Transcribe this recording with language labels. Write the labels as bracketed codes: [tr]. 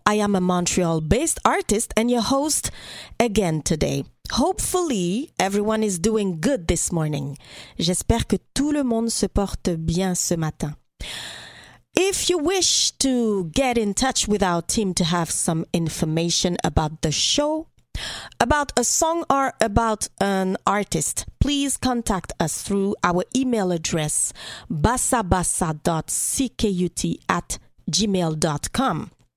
[en] I am a Montreal-based artist and your host again today. Hopefully, everyone is doing good this morning. [fr] J'espère que tout le monde se porte bien ce matin. [en] If you wish to get in touch with our team to have some information about the show, about a song or about an artist, please contact us through our email address bassabassa.ckut@gmail.com.